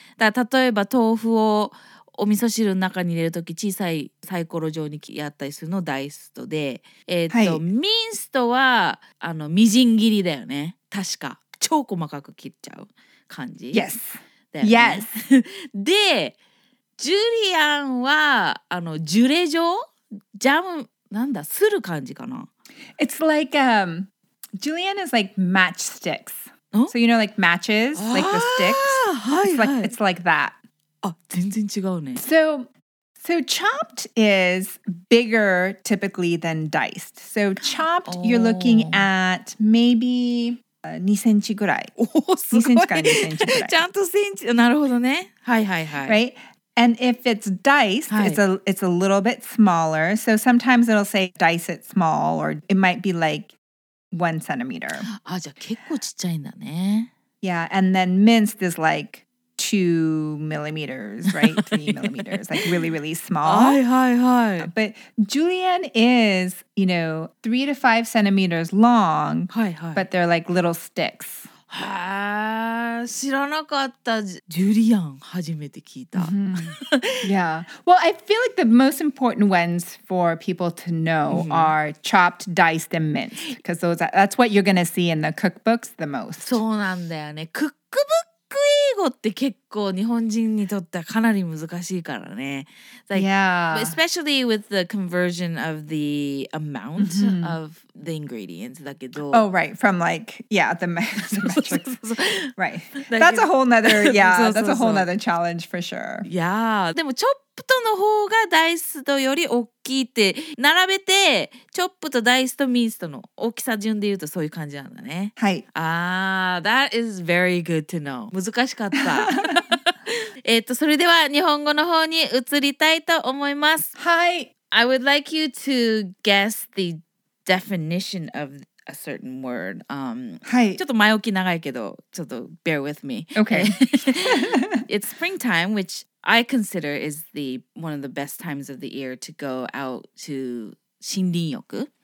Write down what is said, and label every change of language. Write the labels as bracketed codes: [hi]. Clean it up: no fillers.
[ja] だから例えば豆腐をお味噌汁の中に入れるとき小さいサイコロ状にやったりするのダイストで、はい、ミンストはあのみじん切りだよね確か超細かく切っちゃう感じ [en] Yes、 [ja] ね、Yes でジュリアンはあのジュレ状ジャムなんだする感じかな [en] It's like Julian is like matchsticks So you know like matches like the sticks it's like that [ja] あ、全然違うね。 [en] So chopped is bigger typically than diced. So chopped, you're looking at maybe [ja] 2センチぐらい。おー、すごい。2 センチから2センチぐらい。ちゃんとセンチ、なるほどね。はいはいはい。 [en] Right? And if it's diced, it's a little bit smaller. So sometimes it'll say dice it small or it might be like 1 centimeter. [ja] あ、じゃあ結構ちっちゃいんだね。 [en] Yeah, and then minced is like... 2 millimeters, right? 3 millimeters, like really, really small. [ja] Hi, hi, hi. [en] But julienne is, you know, 3 to 5 centimeters long. [ja] Hi, hi. [en] But they're like little sticks. [ja] はあ、知らなかった。ジュリアン初めて聞いた。 [en] Mm-hmm. Yeah. Well, I feel like the most important ones for people to know、mm-hmm. are chopped, diced, and minced. Because those, that's what you're gonna see in the cookbooks the most. [ja] そうなんだよね。Cookbook? 英語って結構日本人にとってはかなり難しいからね。 [en] Like, yeah. Especially with the conversion of the amount、mm-hmm. of the ingredients. [ja] だけど。 [en] Oh, right. From like, yeah, the metrics. right. That's a whole nother, yeah, that's a whole nother challenge for sure. Yeah. [ja] でもチョップとの方がダイスとより大きいって並べてチョップとダイスとミンストの大きさ順で言うとそういう感じなんだね。はい。 [en] Ah, that is very good to know. [ja] 難しかった。それでは日本語の方に移りたいと思います。はい。 [en] I would like you to guess the definition of a certain word. [ja] はい。ちょっと前置き長いけど、ちょっと [en] bear with me. Okay. It's springtime, which I consider is the one of the best times of the year to go out to 森林浴。